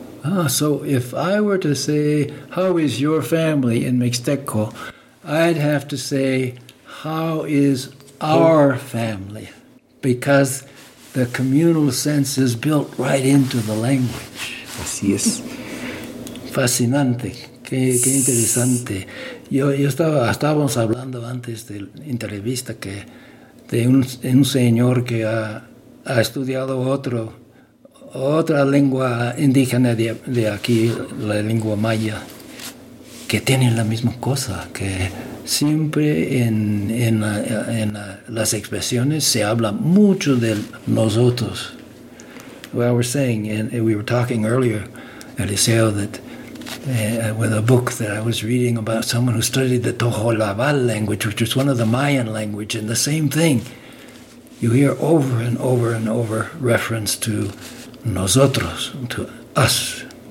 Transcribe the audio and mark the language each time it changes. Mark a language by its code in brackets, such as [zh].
[en] Ah, so if I were to say, how is your family in Mixteco, I'd have to say, how is our family? Because the communal sense is built right into the language. [es] Así es. Fascinante. Qué interesante. Yo estábamos hablando antes de la entrevista que de un señor que ha estudiado otra lengua indígena de aquí, la lengua maya, que tienen la misma cosa, que siempre en las expresiones se habla mucho de nosotros. [en] Well, we're saying, and we were talking earlier, Eliseo, that with a book that I was reading about someone who studied the Toholabal language, which is one of the Mayan languages, and the same thing. You hear over and over and over reference to [es] nosotros, [en] to us.